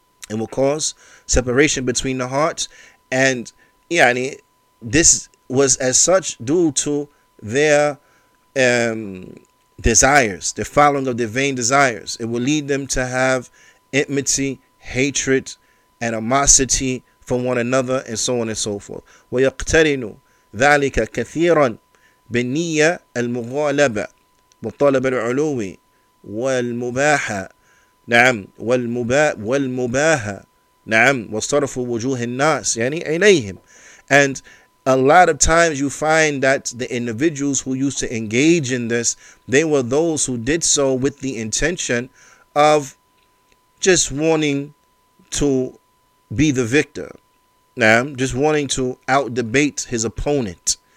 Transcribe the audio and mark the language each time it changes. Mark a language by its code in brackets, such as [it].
[en] It will cause separation between the hearts. And this was as such due to their desires, the following of their vain desires. It will lead them to have enmity, hatred, animosity for one another, and so on and so forth. [ar] وَيَقْتَرِنُ ذَلِكَ كَثِيرًا بِنِيَّةِ الْمُغَالَبَةِ وَطَلَبَ الْعُلُوِي والمباحة نعم والمباحة نعم وصرف وجوه الناس يعني إليهم. [en] And a lot of times you find that the individuals who used to engage in this, they were those who did so with the intention of just wanting to be the victor, نعم, just wanting to out debate his opponent